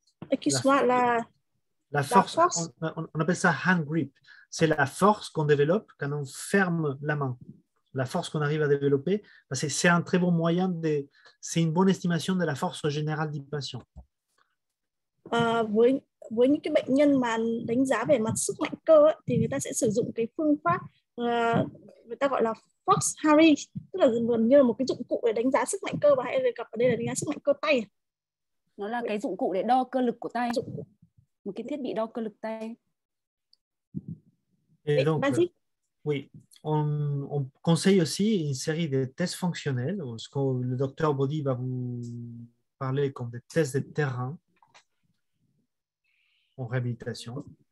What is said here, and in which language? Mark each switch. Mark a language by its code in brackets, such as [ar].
[fr] Et qu'il soit la... La force, la force. On appelle ça hand grip. C'est la force qu'on développe quand on ferme la main. La force qu'on arrive à développer, c'est un très bon moyen, c'est une bonne estimation de la force générale du patient. [vi] Với những cái bệnh nhân mà đánh giá về mặt sức mạnh cơ ấy, thì người ta sẽ sử dụng cái phương pháp người ta gọi là Fox Harry, tức là gần như là một cái dụng cụ để đánh giá sức mạnh cơ, và hay đề cập ở đây là đánh giá sức mạnh cơ tay. Nó là cái dụng cụ để đo cơ lực của tay. Một cái thiết bị đo cơ lực tay. [fr] Et donc, oui, on conseille aussi une série de tests fonctionnels, ce que le docteur Body va vous parler comme des tests de terrain en réhabilitation.